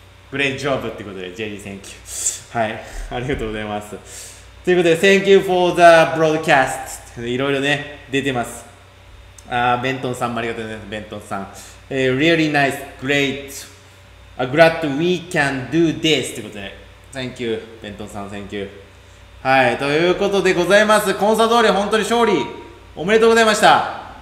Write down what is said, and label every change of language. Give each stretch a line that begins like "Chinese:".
Japanese: グレイジョブってことで、ジェリー、
English: Thank you.
Japanese: はい。ありがとうございます。ということで、
English: Thank you for the broadcast.
Japanese: いろいろね、出てます。ベントンさんもありがとうございます。ベントンさん。
English: Really nice, great, glad we can do this.
Japanese: ということで、
English: Thank you.
Japanese: ベントンさん、Thank you. はい。ということでございます。コンサドーレ、本当に勝利。おめでとうございました。